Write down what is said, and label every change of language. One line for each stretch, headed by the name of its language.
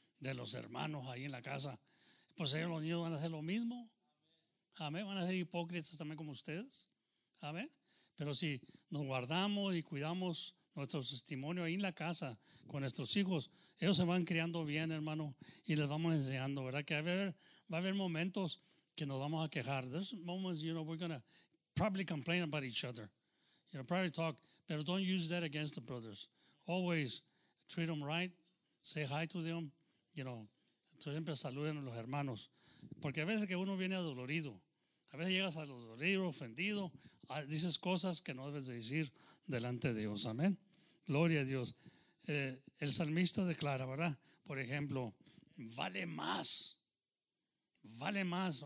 Spanish: de los hermanos ahí en la casa. Pues ellos, los niños, van a hacer lo mismo. Amén. Van a ser hipócritas también como ustedes. Amén. Pero si nos guardamos y cuidamos nuestro testimonio ahí en la casa con nuestros hijos, ellos se van criando bien, hermano, y les vamos enseñando, ¿verdad? Que va a haber momentos que nos vamos a quejar.
English: There's moments, you know, we're going to probably complain about each other. You know, probably talk. But don't use that against the brothers. Always treat them right. Say hi to them. You know,
Spanish: siempre saluden a los hermanos. Porque a veces que uno viene adolorido, a veces llegas adolorido, ofendido, dices cosas que no debes de decir delante de Dios. Amén. Gloria a Dios. El salmista declara, ¿verdad? Por ejemplo, vale más. Vale más.